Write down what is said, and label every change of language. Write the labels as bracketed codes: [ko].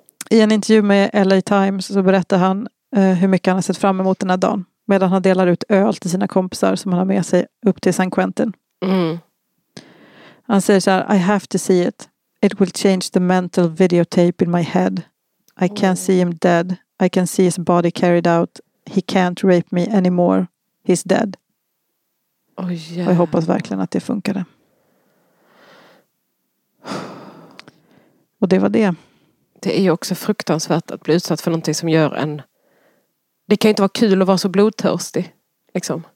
[sv] I en intervju med LA Times så berättar han hur mycket han har sett fram emot den här dagen. Medan han delar ut öl till sina kompisar som han har med sig upp till San Quentin. Mm. Han säger så här: [en] I have to see it. It will change the mental videotape in my head. I can't see him dead. I can see his body carried out. He can't rape me anymore. He's dead. Oh, yeah. [sv] Och jag hoppas verkligen att det funkade. Och det var det. Det är ju också fruktansvärt att bli utsatt för någonting som gör en... Det kan ju inte vara kul att vara så blodtörstig. Liksom.